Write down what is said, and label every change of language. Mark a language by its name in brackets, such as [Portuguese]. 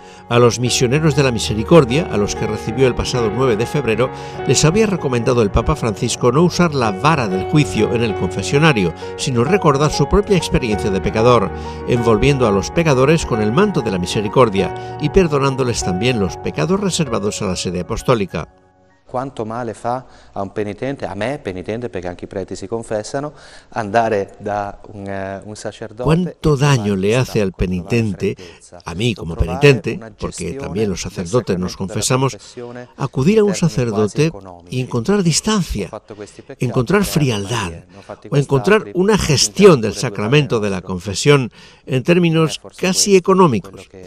[Spanish] A los misioneros de la misericordia, a los que recibió el pasado 9 de febrero, les había recomendado el Papa Francisco no usar la vara del juicio en el confesionario, sino recordar su propia experiencia de pecador, envolviendo a los pecadores con el manto de la misericordia y perdonándoles también los pecados reservados a la sede apostólica. [Italian] Quanto male fa a un penitente, a me penitente, perché anche i preti si confessano, andare da un sacerdote. [Spanish] Quanto daño le hace al penitente, a mí como penitente, porque también los sacerdotes nos confesamos, acudir a un sacerdote y encontrar distancia, encontrar frialdad, o encontrar una gestión del sacramento de la confesión en términos casi económicos.